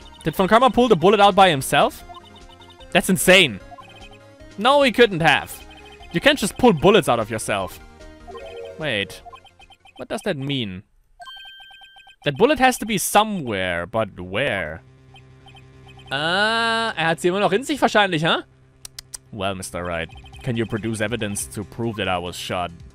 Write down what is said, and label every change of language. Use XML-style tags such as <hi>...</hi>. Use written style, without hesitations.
<en>Did Von Karma pull the bullet out by himself? That's insane. No, he couldn't have. You can't just pull bullets out of yourself. Wait. What does that mean? That bullet has to be somewhere, but where?</en> <de>Hat sie immer noch in sich wahrscheinlich, huh?</de> <en>Well, Mr. Wright, can you produce evidence to prove that I was shot?</en>